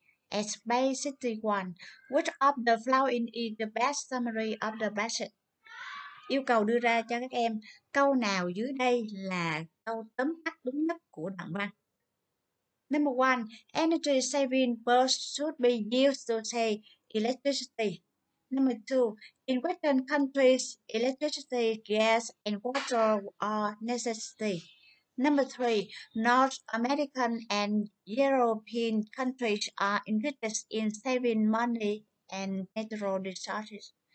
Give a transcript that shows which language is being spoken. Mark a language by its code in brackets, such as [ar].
[en] At Bay City 1, which of the following is the best summary of the budget? [vi] Yêu cầu đưa ra cho các em câu nào dưới đây là câu tóm tắt đúng nhất của đoạn văn. [en] Number 1, energy saving bulbs should be used to save electricity. Number 2, in Western countries, electricity, gas, and water are necessary. Number 3, North American and European countries are interested in saving money and natural resources.